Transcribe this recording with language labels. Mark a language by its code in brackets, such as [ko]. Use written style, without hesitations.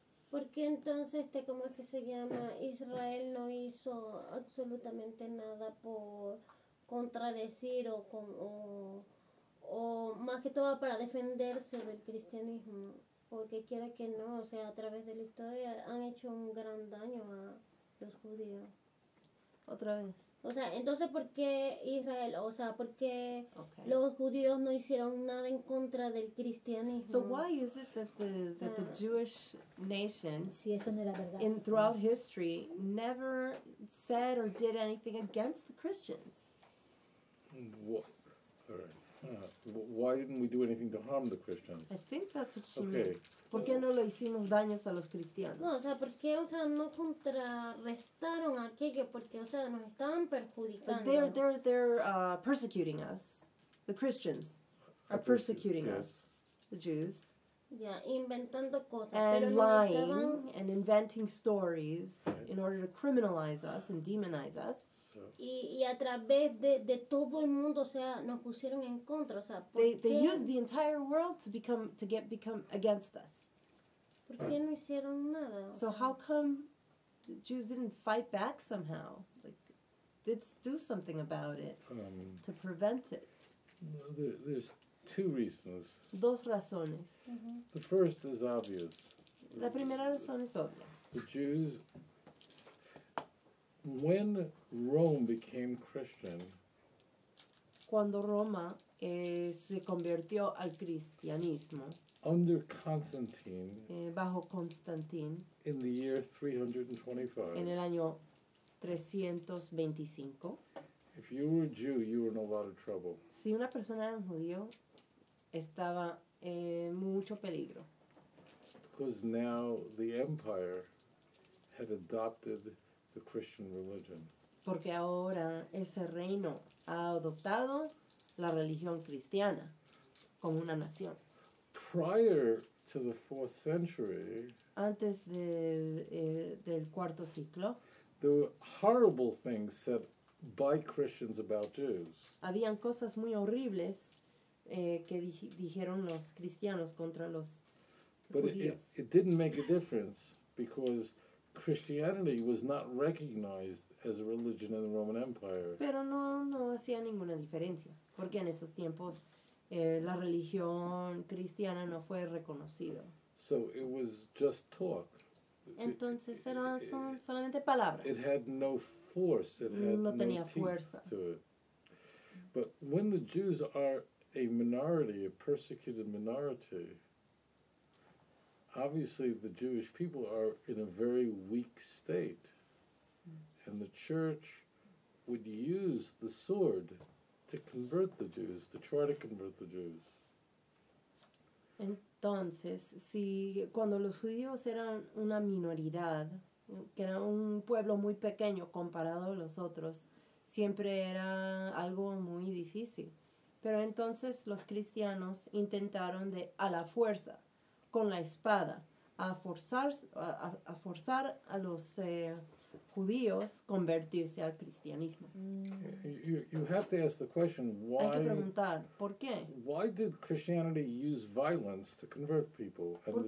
[es] ¿Por qué entonces, cómo es que se llama? Israel no hizo absolutamente nada por contradecir o más que todo para defenderse del cristianismo. Porque quiera que no, o sea, a través de la historia han hecho un gran daño a los judíos. Otra vez. O sea, entonces, ¿por qué Israel? O sea, ¿por qué los judíos no hicieron nada en contra del cristianismo? [en] So why is it that the Jewish nation, [es] si eso no era verdad, [en] in throughout history, never said or did anything against the Christians? Why didn't we do anything to harm the Christians? I think that's what she meant. [es] ¿Por qué no le hicimos daños a los cristianos? No, o sea, porque, o sea, no contrarrestaron a aquello, porque, o sea, nos estaban perjudicando. [en] But they're persecuting us. The Christians are persecuting us. The Jews. [es] Yeah, inventando cosas. [en] And [es] pero [en] lying [es] no estaban, [en] and inventing stories in order to criminalize us and demonize us. [es] Y a través de todo el mundo, o sea, nos pusieron en contra, o sea, ¿por [en] they used the entire world to become against us. [es] ¿Por qué no hicieron nada? [en] So how come the Jews didn't fight back somehow? Like, did do something about it to prevent it? There's two reasons. [es] Dos razones. Mm-hmm. [en] The first is obvious. [es] La primera razón es obvia. [en] The Jews, when Rome became Christian, [es] cuando Roma se convirtió al cristianismo. [en] Under Constantine. [es] Bajo Constantine. [en] In the year 325. [es] En el año 325. [en] If you were a Jew, you were in a lot of trouble. [es] Si una persona era un judío, estaba en mucho peligro. [en] Because now the empire had adopted the Christian religion. [es] Porque ahora ese reino ha adoptado la religión cristiana como una nación. [en] Prior to the 4th century, [es] antes del cuarto siglo, [en] there were horrible things said by Christians about Jews. [es] Habían cosas muy horribles que dijeron los cristianos contra los [en] but [es] judíos. [en] It didn't make a difference because Christianity was not recognized as a religion in the Roman Empire. [es] Pero no hacía ninguna diferencia, porque en esos tiempos la religión cristiana no fue reconocida. [en] So it was just talk. [es] Entonces eran solamente palabras. [en] It had no force. It had [es] no tenía [en] teeth [es] fuerza. [en] To it. But when the Jews are a minority, a persecuted minority, obviously the Jewish people are in a very weak state. And the church would use the sword to convert the Jews, to try to convert the Jews. [es] Entonces, si cuando los judíos eran una minoridad, que era un pueblo muy pequeño comparado a los otros, siempre era algo muy difícil. Pero entonces los cristianos intentaron de a la fuerza, con la espada, a forzar a los judíos convertirse al cristianismo. [en] You have to ask the question why. [es] Hay que preguntar por qué. [en] Why did Christianity use violence to convert people and the Jews?